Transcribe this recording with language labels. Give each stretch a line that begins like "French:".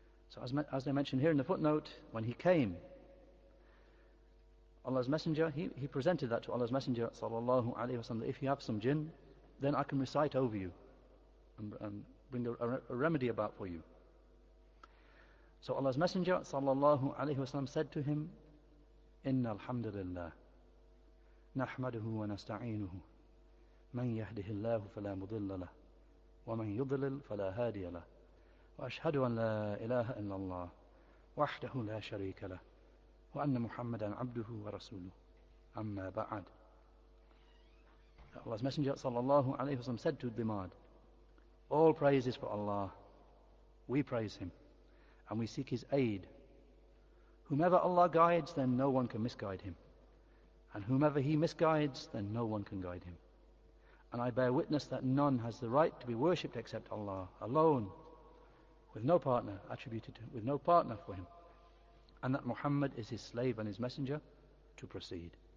English: So as they mentioned here in the footnote, when he came, Allah's Messenger, he presented that to Allah's Messenger sallallahu alayhi wa sallam, that if you have some jinn, then I can recite over you and bring a remedy about for you. So Allah's Messenger sallallahu alayhi wa sallam said to him,
Arabic: إِنَّ الْحَمْدَ لِلَّهِ نَحْمَدُهُ وَنَسْتَعِينُهُ مَنْ يَهْدِهِ اللَّهُ فَلَا مُضِلَّ لَهُ وَمَنْ يُضْلِلْ فَلَا هَادِيَ لَهُ وأشهد أن لا إله إلا الله وحده لا شريك له وأن محمدا عبده ورسوله أما بعد.
English: Allah's Messenger sallallahu alayhi wa sallam said to Dhimad, all praise is for Allah, we praise him and we seek his aid. Whomever Allah guides, then no one can misguide him, and whomever he misguides, then no one can guide him, and I bear witness that none has the right to be worshipped except Allah alone, with no partner attributed to him, with no partner for him, and that Muhammad is his slave and his messenger to proceed.